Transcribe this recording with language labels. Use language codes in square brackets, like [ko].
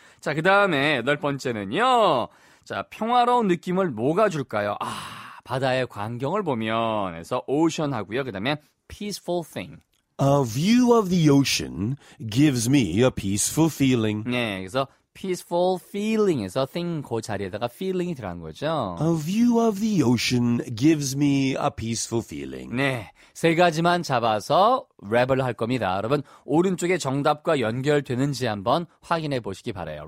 [ko] 자, 그다음에 여덟 번째는요. 자, 평화로운 느낌을 뭐가 줄까요? 아, 바다의 광경을 보면 해서 오션 하고요. [en] 그다음에 peaceful thing. A view of the ocean gives me a peaceful feeling. [ko] 네, 그래서 peaceful feeling에서 thing 그 자리에다가 feeling이 들어간 거죠. [en] A view of the ocean gives me a peaceful feeling. [ko] 네, 세 가지만 잡아서 랩을 할 겁니다. 여러분, 오른쪽에 정답과 연결되는지 한번 확인해 보시기 바래요.